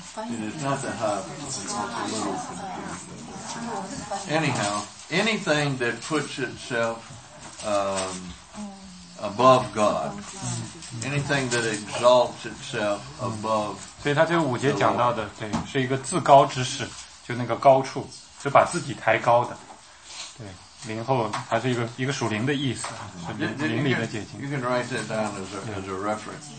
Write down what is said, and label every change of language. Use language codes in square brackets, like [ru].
[en] It is not the high, it's a little confused. Anyhow, anything that puts itself above God, anything that exalts itself above God. [zh] 所以他这五节讲到的，对，是一个自高之事，就那个高处，是把自己抬高的。对，灵后它是一个属灵的意思，是灵里的解经。 [en] You can write that down as a reference.